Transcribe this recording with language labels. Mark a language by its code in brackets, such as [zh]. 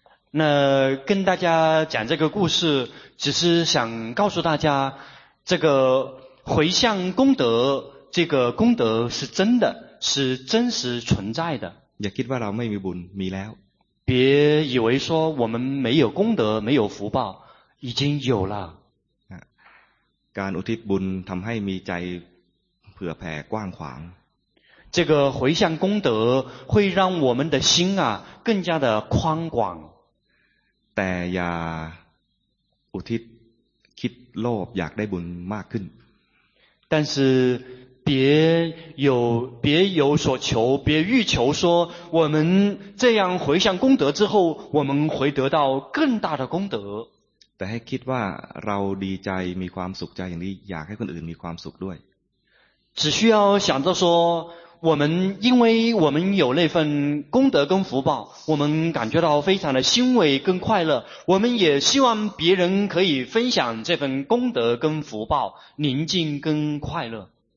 [zh] 那跟大家讲这个故事只是想告诉大家这个回向功德这个功德是真的是真实存在的 [th] อย่าคิดว่าเราไม่มีบุญมีแล้ว [zh] 别以为说我们没有功德没有福报已经有了 [th] การอุทิศบุญทำให้มีใจเผื่อแผ่กว้างขวาง [zh] 这个回向功德会让我们的心啊更加的宽广。 [th] แต่อย่าอุทิศคิดโลภอยากได้บุญมากขึ้น。 [zh] 但是别有所求，别欲求说我们这样回向功德之后，我们会得到更大的功德。 [th] แต่ให้คิดว่าเราดีใจมีความสุขใจอย่างนี้อยากให้คนอื่นมีความสุขด้วย。 [zh] 只需要想着说。我们因为我们有那份功德跟福报，我们感觉到非常的欣慰跟快乐。我们也希望别人可以分享这份功德跟福报，宁静跟快乐。